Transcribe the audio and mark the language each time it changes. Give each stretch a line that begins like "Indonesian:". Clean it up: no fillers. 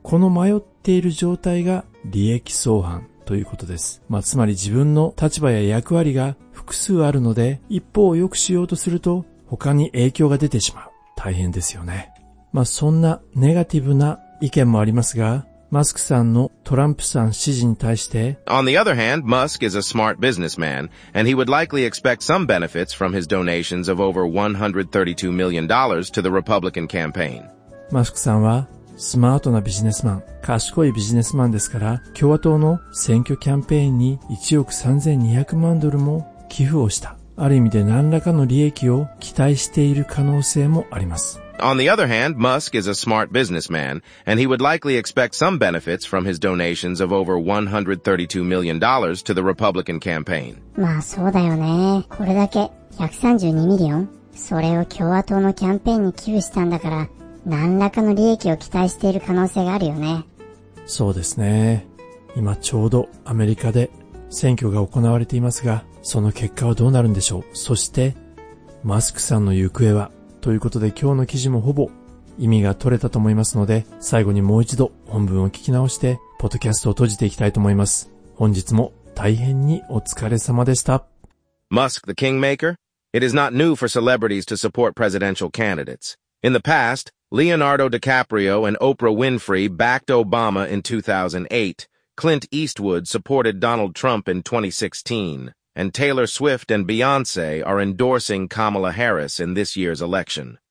Japanese: この迷っている状態が利益相反ということです。まあ、つまり自分の立場や役割が複数あるので、一方を良くしようとすると他に影響が出てしまう。大変ですよね。まあ、そんなネガティブな意見もありますが、マスクさんのトランプさん支持に対して、
English: On the other hand, Musk is a smart businessman, and he would likely expect some benefits from his donations of over $132 million to the Republican campaign.
Japanese: マスクさんは、スマートなビジネスマン、賢いビジネスマンですから、共和党の選挙キャンペーンに1億3200万ドルも寄付をした。ある意味で何らかの利益を期待している可能性もあります。
English: On the other hand, Musk is a smart businessman, and he would likely expect some benefits from his donations of over $132 million to the Republican campaign.
Japanese: まあそうだよね。これだけ132ミリオン、それを共和党のキャンペーンに寄付したんだから、何らかの利益を期待している可能性があるよね。そうですね。今ちょうどアメリカで選挙が行われていますが、その結果はどうなるんでしょう。そしてマスクさんの行方は、ということで今日の記事もほぼ意味が取れたと思いますので、最後にもう一度本文を聞き直してポッドキャストを閉じていきたいと思います。本日も大変にお疲れ様でした。
English: Musk the Kingmaker? It is not new for celebrities to support presidential candidates. In the past, Leonardo DiCaprio and Oprah Winfrey backed Obama in 2008, Clint Eastwood supported Donald Trump in 2016, and Taylor Swift and Beyoncé are endorsing Kamala Harris in this year's election.